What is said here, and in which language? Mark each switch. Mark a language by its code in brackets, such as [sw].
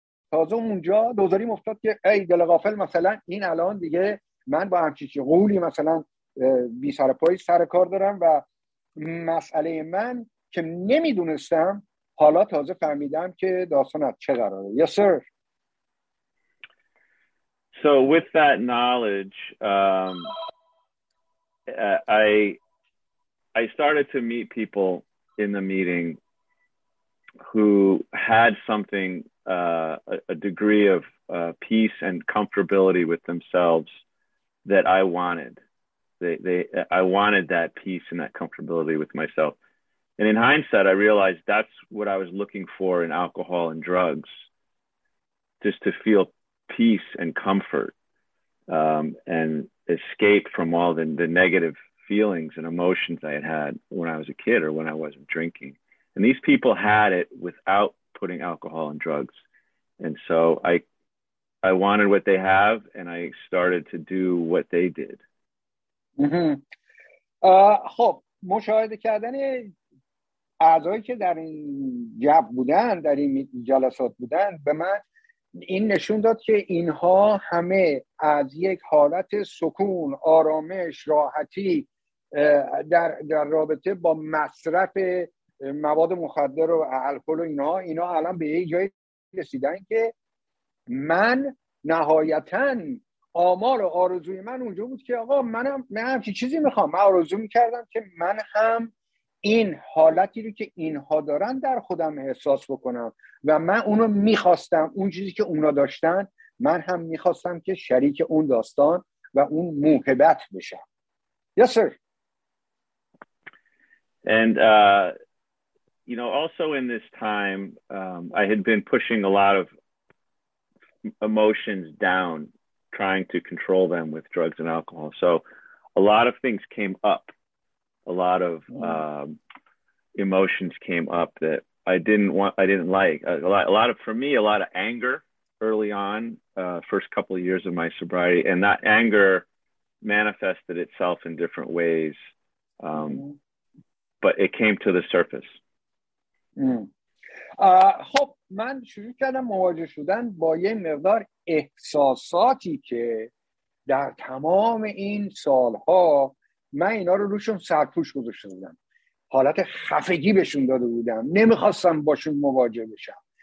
[fa] تازه اونجا دوزاری مفتاد که ای دل غافل، مثلا این الان دیگه من با همچیچی قولی مثلا بی سرپای سرکار دارم. و مسئله من که نمیدونستم، حالا تازه فهمیدم که داستان از چه قراره. [en] Yes, sir. So with that knowledge, I started to meet people in the meeting who had something, a degree of peace and comfortability with themselves that I wanted. I wanted that peace and that comfortability with myself. And in hindsight, I realized that's what I was looking for in alcohol and drugs, just to feel peace and comfort and escape from all the negative feelings and emotions I had had when I was a kid or when I wasn't drinking. And these people had it without putting alcohol and drugs. And so I wanted what they have, and I started to do what they did. [fa] خب مشاهده کردن اعضایی که در این جمع بودن، در این جلسات بودن، به من این نشون داد که اینها همه از یک حالت سکون، آرامش، راحتی در رابطه با مصرف مواد مخدر و الکل و اینا الان به یک جایی رسیدن که من نهایتاً آمار و آرزوی من اونجا بود که آقا من همچی چیزی میخوام. من آرزو میکردم که من هم این حالتی رو که اینها دارن در خودم احساس بکنم، و من اونو میخواستم. اون چیزی که اونا داشتن من هم میخواستم که شریک اون داستان و اون موهبت بشم. Yes, sir. And you know, also in this time I had been pushing a lot of emotions down, trying to control them with drugs and alcohol. So a lot of things came up, a lot of emotions came up that I didn't like. A lot of anger early on, first couple of years of my sobriety, and that anger manifested itself in different ways, but it came to the surface. خب من شروع کردم مواجه شدن با یه مقدار احساساتی که در تمام این سالها من اینا رو روشون سرپوش گذاشته بودم، حالت خفگی بهشون داده بودم، نمیخواستم باشون مواجه بشم.